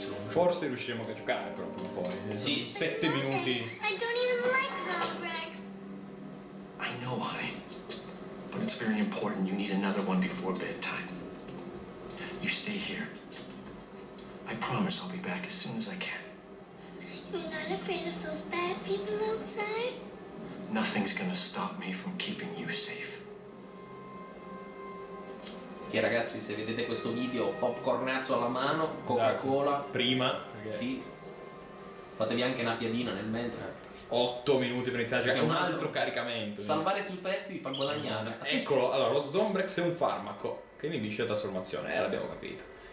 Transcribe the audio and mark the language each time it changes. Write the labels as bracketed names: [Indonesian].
[Italian] Forse riusciremo a giocare proprio un po'. Sì, 7 minuti. [English] I don't even like Zombrex. I know, honey. But it's very important. You need another one before bedtime. You stay here. I promise I'll be back as soon as I can. You're not afraid of those bad people outside? Nothing's gonna stop me from keeping you safe. [Italian] Che ragazzi, se vedete questo video, popcornazzo alla mano, Coca-Cola. Prima. Sì. Fatevi anche una piadina nel mentre. 8 minuti per iniziare, c'è un altro caricamento. Salvare sui pesti vi fa guadagnare. Eccolo, allora, lo Zombrex è un farmaco che inibisce la trasformazione, l'abbiamo capito.